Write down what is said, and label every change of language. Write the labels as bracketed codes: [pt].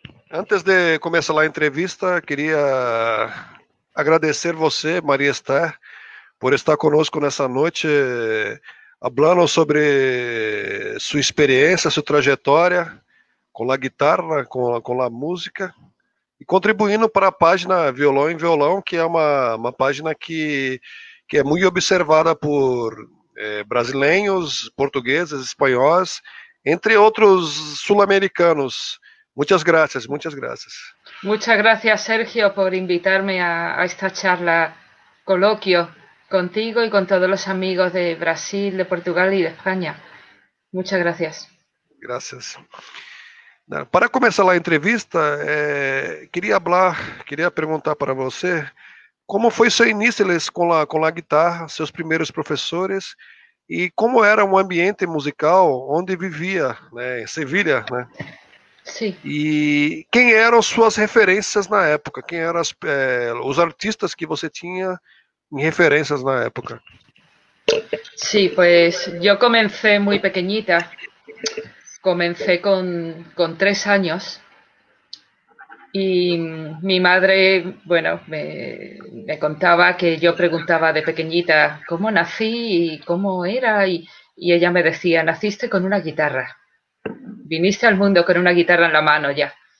[pt] Antes de começar a entrevista, queria agradecer você, Maria Esther, por estar conosco nessa noite, falando sobre sua experiência, sua trajetória com a guitarra, com a música. E contribuindo para a página Violão em Violão, que é uma página que é muito observada por brasileiros, portugueses, espanhóis, entre outros sul-americanos. Muitas graças, muitas graças. [es] Muchas gracias, Sergio, por invitarme a esta charla, coloquio contigo y con todos los amigos de Brasil, de Portugal y de España. Muchas gracias. [pt] Graças. Para começar a entrevista, queria perguntar para você como foi seu início com a guitarra, seus primeiros professores e como era o ambiente musical onde vivia, né, em Sevilha, né? Sim. E quem eram suas referências na época? Quem eram os artistas que você tinha em referências na época? [es] Sí, pues yo comencé muy pequeñita, comencé con 3 años y mi madre, bueno, me contaba que yo preguntaba de pequeñita cómo nací y cómo era y ella me decía, naciste con una guitarra, viniste al mundo con una guitarra en la mano ya.